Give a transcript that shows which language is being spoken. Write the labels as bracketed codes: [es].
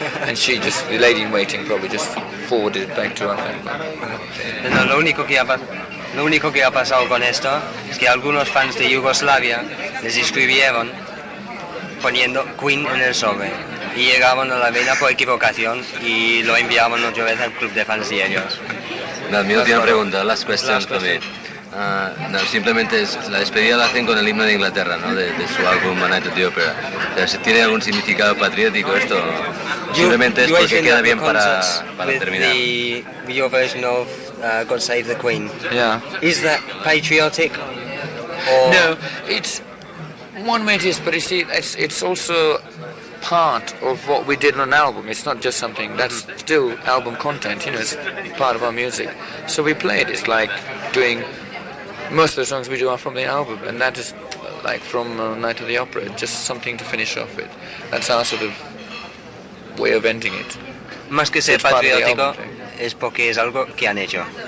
[en] And she just, the lady in waiting probably just forwarded it back to her family. [es] No, lo único que ha pasado con esto es que algunos fans de Yugoslavia les escribieron poniendo Queen en el sobre y llegaban a la reina por equivocación y lo enviaban otra vez al club de fans de ellos. No, mi última pregunta, [en] last question for me. [es] No, simplemente es, la despedida la hacen con el himno de Inglaterra, ¿no? De su álbum A Night at the Opera. O sea, si tiene algún significado patriótico esto, simplemente es porque queda bien para terminar. [en] Your version of God Save the Queen. Yeah. Is that patriotic? Or? No, it's one way it is, but you see, it's also part of what we did on an album. It's not just something that's still album content, you know, it's part of our music. So we play it. It's like doing most of the songs we do are from the album, and that is like from Night of the Opera, just something to finish off with. That's our sort of way of ending it. [es] Más que ser patriótico es porque es algo que han hecho.